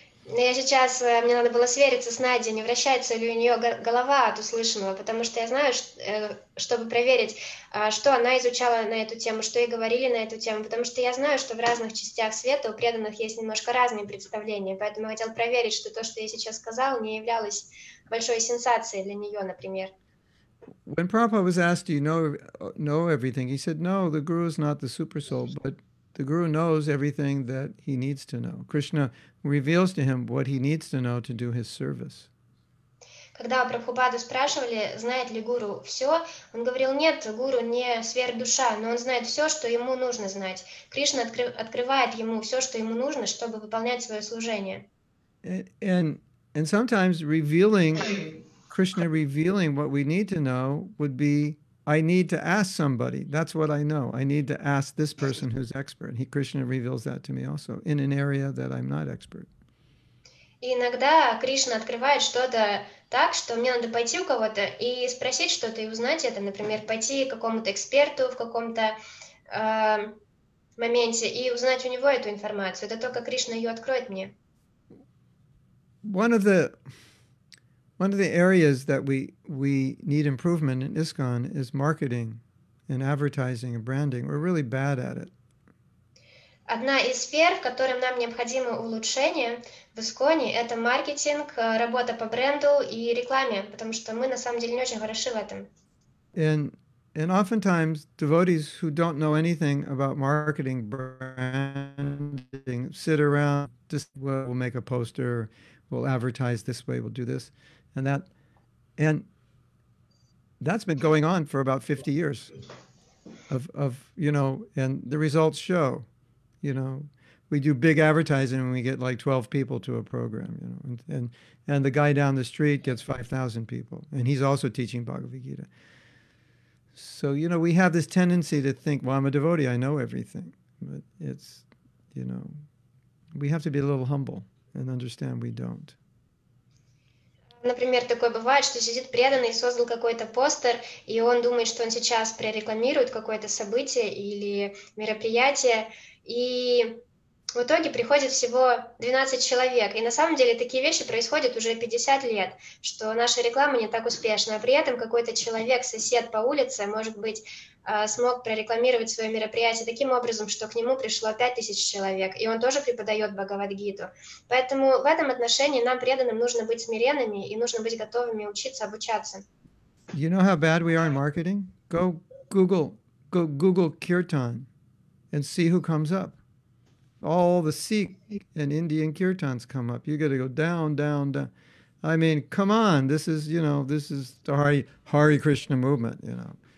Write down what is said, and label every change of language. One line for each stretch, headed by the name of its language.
Russian: Но я сейчас, мне надо было свериться с Надей, не вращается ли у нее голова от услышанного, потому что я знаю, чтобы проверить, что она изучала на эту тему, что ей говорили на эту тему, потому что я знаю, что в разных частях света у преданных есть немножко разные представления, поэтому я хотел проверить, что то, что я сейчас сказал, не являлось большой сенсацией для нее, например.
English: When Prabhupada was asked, do you know everything? He said, no, the guru is not the super soul, but the guru knows everything that he needs to know. Krishna reveals to him what he needs to know to do his service.
Russian: Когда Прабхупаду спрашивали, знает ли гуру все, он говорил, нет, гуру не сверхдуша, но он знает все, что ему нужно знать. Кришна открывает ему все, что ему нужно, чтобы выполнять свое служение.
English: And sometimes revealing... Krishna revealing what we need to know would be, I need to ask somebody. That's what I know. I need to ask this person who's expert. He, Krishna reveals that to me also in an area that I'm not expert.
Russian: Иногда Кришна открывает что-то так, что мне надо пойти у кого-то и спросить что-то и узнать это. Например, пойти к какому-то эксперту в каком-то моменте и узнать у него эту информацию. Это только Кришна ее откроет мне.
English: One of the areas that we need improvement in ISKCON is marketing and advertising and branding. We're really bad at it.
Russian: Одна из сфер, в которой нам необходимо улучшение в ИСККОНе, это маркетинг, работа по бренду и рекламе, потому что мы на самом деле не очень хороши в этом.
English: And oftentimes devotees who don't know anything about marketing, branding, sit around, just, well, we'll make a poster, we'll advertise this way, we'll do this. And that's been going on for about 50 years of you know, and the results show, you know, we do big advertising and we get like 12 people to a program, you know, and the guy down the street gets 5,000 people and he's also teaching Bhagavad Gita. So, you know, we have this tendency to think, well, I'm a devotee, I know everything, but it's, you know, we have to be a little humble and understand we don't.
Russian: Например, такое бывает, что сидит преданный, создал какой-то постер, и он думает, что он сейчас прорекламирует какое-то событие или мероприятие, и в итоге приходит всего 12 человек. И на самом деле такие вещи происходят уже 50 лет, что наша реклама не так успешна, а при этом какой-то человек, сосед по улице, может быть, смог прорекламировать свое мероприятие таким образом, что к нему пришло 5000 человек, и он тоже преподает Бхагавад-гиту. Поэтому в этом отношении нам, преданным, нужно быть смиренными и нужно быть готовыми учиться, обучаться.
English: You know how bad we are in marketing? Go Google Kirtan and see who comes up. All the Sikh and Indian kirtans come up. You got to go down, down, down. I mean, come on. This is, you know, this is the Hare Krishna movement, you know.